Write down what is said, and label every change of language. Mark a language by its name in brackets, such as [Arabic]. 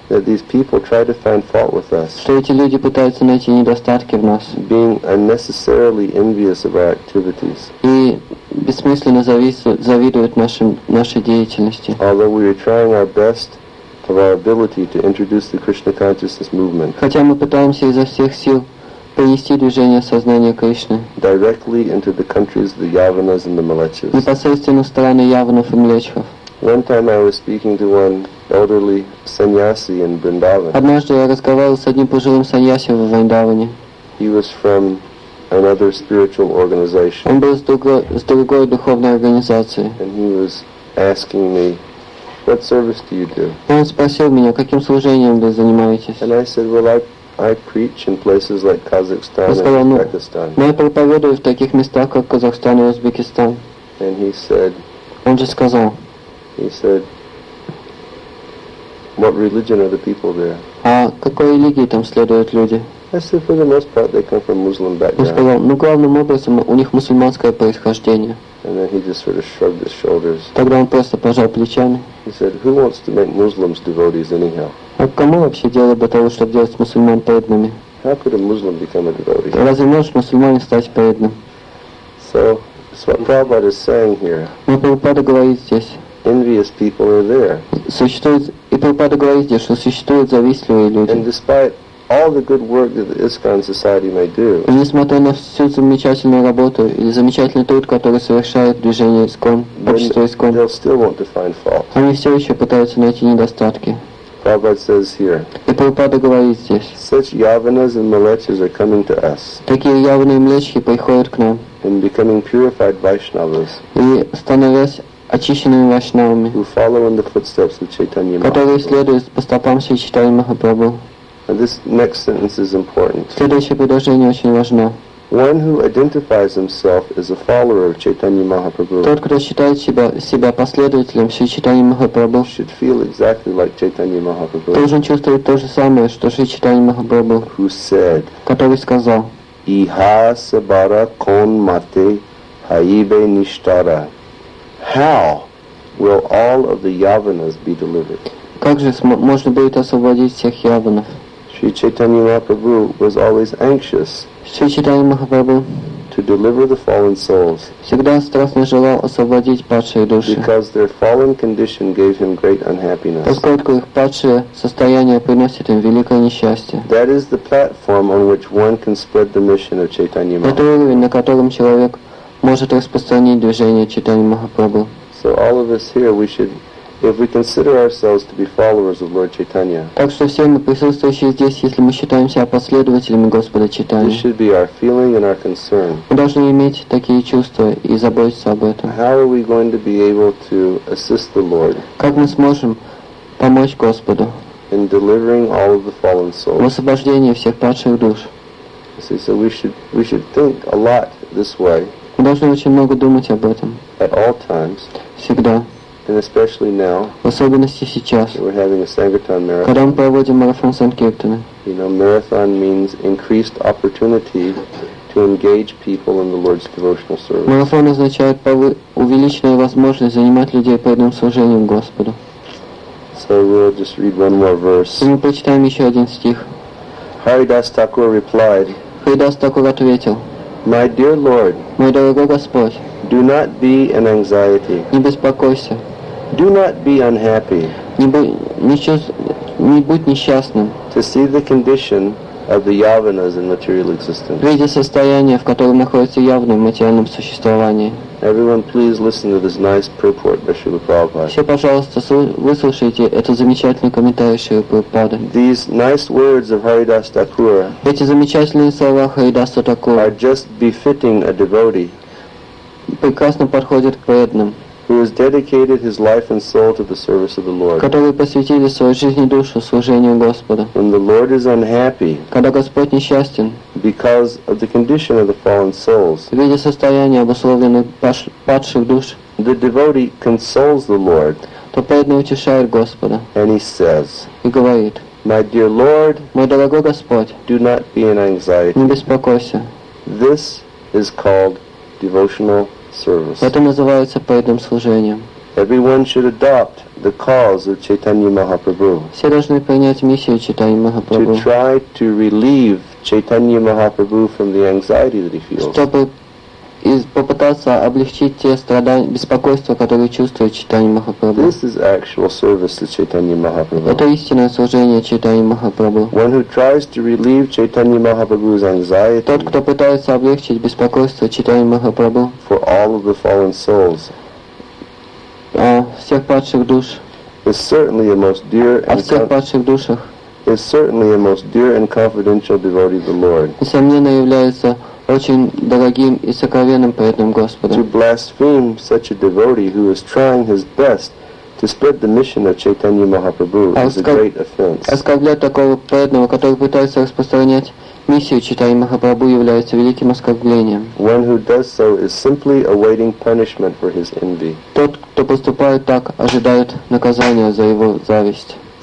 [English] that these people try to find fault with us, [Russian] что эти люди пытаются найти недостатки в нас, [English] being unnecessarily envious of our activities, [Russian] и бессмысленно завидуют нашей деятельности. [English] Although we are trying our best of our ability to introduce the Krishna consciousness movement, [Russian] хотя мы пытаемся изо всех сил принести движение сознания Кришны [English] directly into the countries of the Yavanas and the Mlechhas, [Russian] непосредственно в страны Яванов и Млечхов. [English] One time I was speaking to one elderly sannyasi in Vrindavan. [Russian] Однажды я разговаривал с одним пожилым саньяси в Вриндаване. [English] He was from another spiritual organization. [Russian] Он был с другой духовной организации. [English] And he was asking me, what service do you do? [Russian] Он спросил меня, каким служением вы занимаетесь? [English] And I said, well, I preach in places like Kazakhstan and Uzbekistan. [Russian] Я проповедую в таких местах, как Казахстан и Узбекистан. [English] And he said, [Russian] он же сказал, [English] he said, what religion are the people there? [Russian] А какой религии там следуют люди? [English] I said, for the most part, they come from Muslim background. [Russian] Он сказал, ну главным образом у них мусульманское происхождение. [English] And then he just sort of shrugged his shoulders. [Russian] Тогда он просто пожал плечами. [English] He said, who wants to make Muslims devotees anyhow? [Russian] А кому вообще дело до того, чтобы делать мусульман преданными? [English] How could a Muslim become a devotee? [Russian] Разве может мусульманин стать преданным? [English] So what Prabhupada is saying here. [Russian] Но Прабхупада говорит здесь. [English] Envious people are there. [Russian] Существует, и Прабхупада говорит здесь, что существуют завистливые люди. [English] And despite all the good work that the ISKCON Society may do. [Russian] И несмотря на всю замечательную работу или замечательный труд, который совершает движение ISKCON, общество ISKCON, [English] they still want to find fault. [Russian] Они все еще пытаются найти недостатки. [English] Prabhupada says here. [Russian] И Прабхупада говорит здесь. [English] Such yavanas and mlechas are coming to us. [Russian] Такие явные млечхи приходят к нам. [English] And becoming purified Vaishnavas. [Russian] И становясь очищенными вайшнавами, [English] who follow in the footsteps of Chaitanya Mahaprabhu. [Russian] Которые следуют по стопам Шри Чайтаньи Махапрабху. [English] And this next sentence is important. [Russian] Следующее предложение очень важно. [English] One who identifies himself as a follower of Chaitanya Mahaprabhu. [Russian] Тот, кто считает себя последователем Шри Чайтаньи Махапрабху. [English] Should feel exactly like Chaitanya Mahaprabhu. [Russian] Должен чувствовать то же самое, что Шри Чайтанья Махапрабху. [English] Who said? [Russian] Который сказал. [Bangla] Иха сабара кон мате хаибе ништара. [English] How will all of the yavanas be delivered? [Russian] Как же можно будет освободить всех яванов? [English] Шри Чайтанья Махапрабху was always anxious. [Russian] Шри Чайтанья Махапрабху [English] to deliver the fallen souls. [Russian] Всегда страстно желал освободить падшие души. [English] Because their fallen condition gave him great unhappiness. [Russian] Поскольку их падшее состояние приносит им великое несчастье. [English] That is the platform on which one can spread the mission of Chaitanya Mahaprabhu. [Russian] Это уровень, на котором человек может распространить движение Чайтанья Махапрабху. [English] So all of us here, we should, if we consider ourselves to be followers of Lord Chaitanya. [Russian] Так что все мы присутствующие здесь, если мы считаем себя последователями Господа Чайтаньи. [English] This should be our feeling and our concern. [Russian] Мы должны иметь такие чувства и заботиться об этом. [English] How are we going to be able to assist the Lord? [Russian] Как мы сможем помочь Господу? [English] In delivering all of the fallen souls. [Russian] В освобождении всех падших душ. [English] See, so we should think a lot this way. [Russian] Мы должны очень много думать об этом. [English] At all times. [Russian] Всегда. [English] And especially now, [Russian] в особенности сейчас, [English] we're having a Sankirtan marathon. [Russian] Когда мы проводим марафон Санкиртана. [English] You know, marathon means increased opportunity to engage people in the Lord's devotional service. [Russian] Марафон означает увеличенная возможность занимать людей преданным служением Господу. [English] So we'll just read one more verse. [Russian] И мы прочитаем еще один стих. [English] Haridas Thakur replied. [Russian] Haridas Thakur ответил. [English] My dear Lord, [Russian] мой дорогой Господь, [English] do not be an anxiety. [Russian] Не беспокойся. [English] Do not be unhappy. [Russian] Не будь несчастным. [English] To see the condition of the yavanas in material existence. [Russian] Видя состояние, в котором находится явное в материальном существовании. [English] Everyone, please listen to this nice purport by Srila Prabhupada. [Russian] Все, пожалуйста, выслушайте этот замечательный комментарий Шрилы Прабхупады. [English] These nice words of Haridas Thakur. [Russian] Эти замечательные слова Харидаса Такура. [English] Are just befitting a devotee. [Russian] Прекрасно подходит к преданным. [English] Who has dedicated his life and soul to the service of the Lord. [Russian] Которые посвятили свою жизнь и душу служению Господа. [English] When the Lord is unhappy. [Russian] Когда Господь несчастен. [English] Because of the condition of the fallen souls. [Russian] Видя состояние обусловленных падших душ. [English] The devotee consoles the Lord. [Russian] То преданный утешает Господа. [English] And he says. [Russian] И говорит. [English] My dear Lord. [Russian] Мой дорогой Господь. [English] Do not be in anxiety. [Russian] Не беспокойся. [English] This is called devotional service. [Russian] Это называется преданным служением. [English] Everyone should adopt the cause of Chaitanya Mahaprabhu. [Russian] Все должны принять миссию Чайтаньи Махапрабху. [English] To try to relieve Chaitanya Mahaprabhu from the anxiety that he feels. [Russian] Чтобы попытаться облегчить те страдания, беспокойства, которые чувствует Чайтанья Махапрабху. [English] This is actual service to Chaitanya Mahaprabhu. [Russian] Это истинное служение Чайтанья Махапрабху. [English] One who tries to relieve Chaitanya Mahaprabhu's anxiety. [Russian] Тот, кто пытается облегчить беспокойство Чайтанья Махапрабху. [English] For all of the fallen souls. [Russian] Всех падших душ. [English] Is certainly a most dear and. [Russian] Всех падших душах. [English] Is certainly a most dear and confidential devotee of the Lord. [Russian] Несомненно является очень дорогим и сокровенным перед ним Господом. [English] To blaspheme such a devotee who is trying his best to spread the mission of Chaitanya Mahaprabhu is a great offense. [Russian] Оскорблять такого преданного, который пытается распространять миссию Чайтаньи Махапрабху, является великим оскорблением. [English] One who does so is simply awaiting punishment for his envy. [Russian] Тот, кто поступает так, ожидает наказания за его зависть.